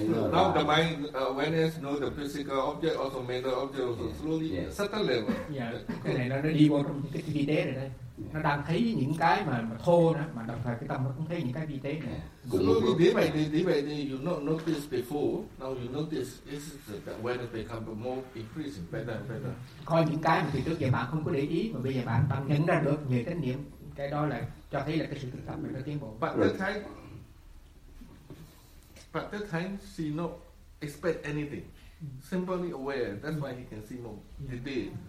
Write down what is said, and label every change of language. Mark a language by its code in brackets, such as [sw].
[en] Now the mind awareness knows the physical object, also mental object, also slowly subtle level. [vi] Yeah, cái này nó đi vô trong cái vi tế rồi đây. Nó đang thấy những cái mà thô đó, mà đồng thời cái tâm nó cũng thấy những cái vi tế này. [en] Slowly, [vi] đi vậy thì [en] you not notice before, now you notice is the awareness become more increasing, better. [vi] Coi những cái mà từ trước giờ bạn không có để ý, mà bây giờ bạn nhận ra được nhiều chánh niệm, cái đó là cho thấy là cái sự thực tập mình đã tiến bộ. [en] But that time, she not expect anything. Simply aware. That's why he can see more. He did.